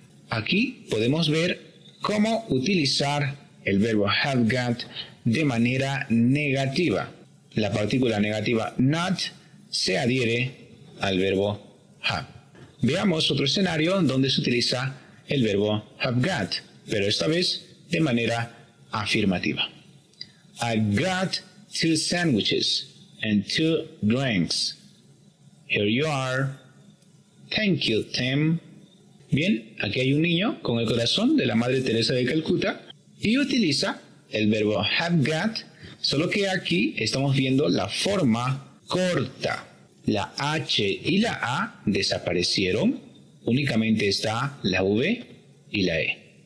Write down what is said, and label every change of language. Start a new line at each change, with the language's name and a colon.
Spanish: Aquí podemos ver cómo utilizar el verbo have got de manera negativa. La partícula negativa not se adhiere al verbo have. Veamos otro escenario donde se utiliza el verbo have got, pero esta vez de manera afirmativa.
English: I got 2 sandwiches and 2 drinks. Here you are. Thank you, Tim.
Spanish: Bien, aquí hay un niño con el corazón de la Madre Teresa de Calcuta y utiliza el verbo have got. Solo que aquí estamos viendo la forma corta. La H y la A desaparecieron. Únicamente está la V y la E.